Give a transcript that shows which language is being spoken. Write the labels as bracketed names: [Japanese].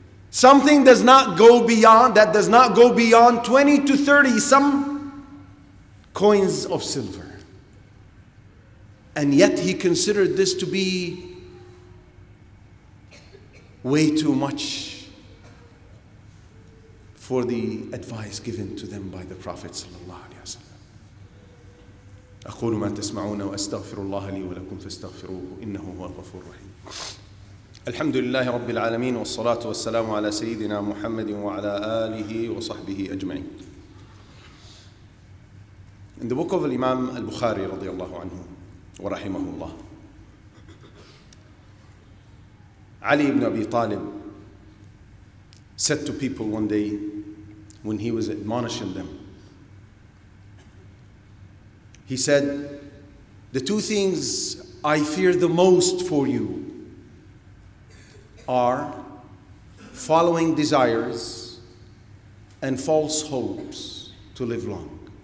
[English] Something does not go beyond, that does not go beyond 20 to 30, some coins of silver. And yet he considered this to be way too much for the advice given to them by the Prophet sallallahu alaihi wasallam. [Arabic] أقول ما تسمعون وأستغفر الله لي ولكم فاستغفروه إنه هو الغفور الرحيم. الحمد لله رب العالمين والصلاة والسلام على سيدنا محمد وعلى آله وصحبه أجمعين. [English] In the book of Imam al-Bukhari [Arabic] رضي الله عنه ورحمه الله. [English] Ali ibn Abi Talib said to people one day when he was admonishing them, he said, the two things I fear the most for you are following desires and false hopes to live long.